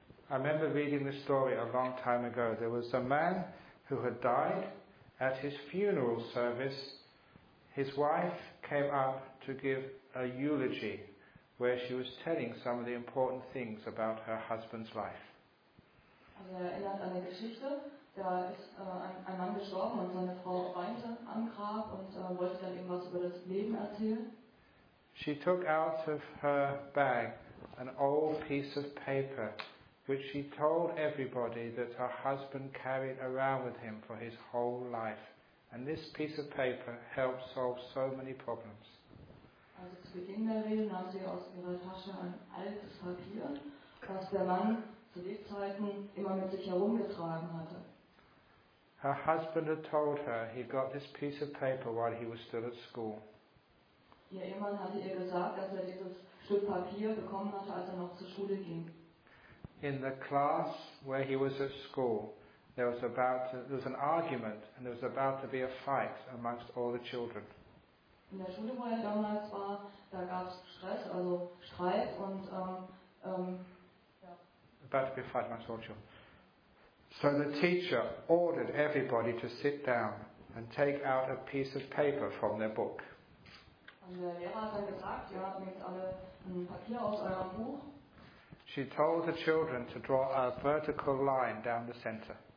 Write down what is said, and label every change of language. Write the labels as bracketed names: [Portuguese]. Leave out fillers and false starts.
[English] I remember reading this story a long time ago. There was a man who had died at his funeral service. His wife came up to give a eulogy where she was telling some of the important things about her husband's life. [German] Also er erinnert an eine Geschichte. Da ist ein Mann gestorben und seine Frau weinte am Grab und wollte dann irgendwas über das Leben erzählen. [English] She took out of her bag an old piece of paper which she told everybody that her husband carried around with him for his whole life. And this piece of paper helped solve so many problems. [German] Also zu Beginn der Rede nahm sie aus ihrer Tasche ein altes Papier, das der Mann zu Lebzeiten immer mit sich herumgetragen hatte. [English] Her husband had told her he got this piece of paper while he was still at school. [German] Ihr Ehemann hatte ihr gesagt, dass er dieses Stück Papier bekommen hatte, als er noch zur Schule ging. [English] In the class where he was at school, there was an argument and there was about to be a fight amongst all the children. [German] In der Schule, wo er damals war, da gab es Stress, also Streit und [English] about to be a fight amongst all the children. So the teacher ordered everybody to sit down and take out a piece of paper from their book. [German] Und der Lehrer hat dann gesagt, ihr habt jetzt alle ein Papier aus eurem Buch. [English] She told the children to draw a vertical line down the center.